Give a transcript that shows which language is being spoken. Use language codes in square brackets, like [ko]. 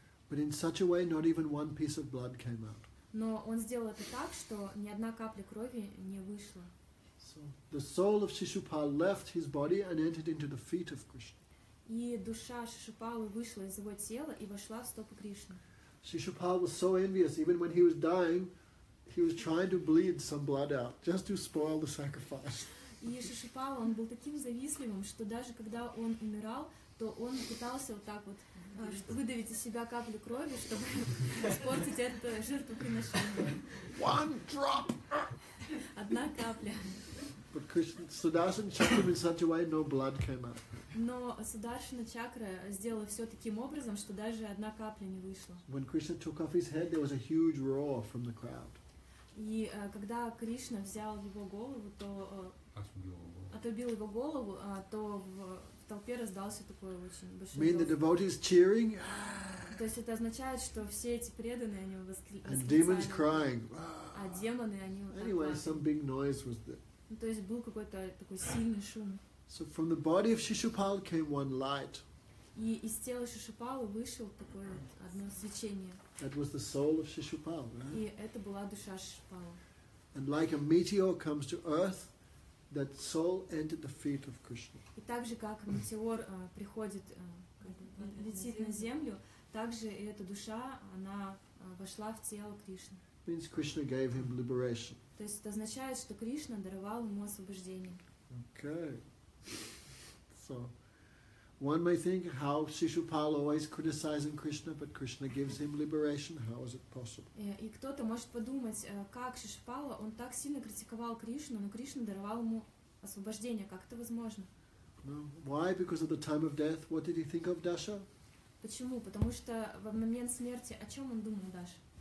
[en] But in such a way, not even one piece of blood came out. [ru] Но он сделал это так, что ни одна капля крови не вышла. [en] So the soul of Shishupala left his body and entered into the feet of Krishna. [ru] И душа Шишупалы вышла из его тела и вошла в стопы Кришны. [en] Shishupala was so envious, even when he was dying, he was trying to bleed some blood out just to spoil the sacrifice. [ru] И Шишупала, он был таким завистливым, что даже когда он умирал, то он пытался вот так вот выдавить из себя каплю крови, чтобы испортить это жертвоприношение. [en] One drop. [ru] Одна капля. [en] But Krishna Sudarshan choked him in such a way no blood came out. [ru] Но Сударшина чакра сделала все таким образом, что даже одна капля не вышла. [en] When Krishna took off his head, there was a huge roar from the crowd. [ru] И когда Кришна взял его голову, то отрубил его голову, то в толпе раздался такой очень большой. [en] Mean the devotees cheering. [ru] То есть это означает, что все эти преданные они восклицали. [en] And demons crying. [ru] А демоны они. [en] Anyway, some big noise was there. [ru] То есть был какой-то такой сильный шум. [en] So from the body of Shishupal came one light. [ru] И из тела Шишупалы вышел такое одно свечение. [en] That was the soul of Shishupal, right? [ru] И это была душа Шишупалы. [en] And like a meteor comes to earth, that soul entered the feet of Krishna. [ru] И так же, как метеор приходит, летит на землю, так же и эта душа, она вошла в тело Кришны. [en] Means Krishna gave him liberation. [ru] То есть это означает, что Кришна даровал ему освобождение. [en] Okay. So, one may think how Shishupal always criticizing Krishna, but Krishna gives him liberation. How is it possible? [ru] И кто-то может подумать, как Шишупала, он так сильно критиковал Кришну, но Кришна даровал ему освобождение. Как это возможно? [en] No. Why? Because of the time of death. What did he think of Dasha? [ru] Почему? Потому что в момент смерти о чем он думал, Даша?